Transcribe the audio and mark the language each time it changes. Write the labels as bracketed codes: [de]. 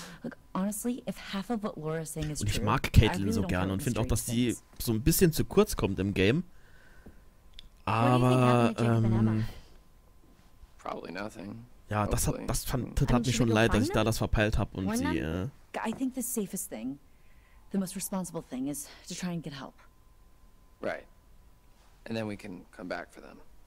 [en] Look, honestly, if half of what Laura's saying is true, [de] und ich mag Kaitlyn so gerne und finde auch, dass sie so ein bisschen zu kurz kommt im Game. Aber, [en] probably nothing. [de] Ja, das hat mir schon leid, dass ich da das verpeilt habe und sie, [en] I think the safest thing, the most responsible thing is to try and get help. Right. And then we can come back for them.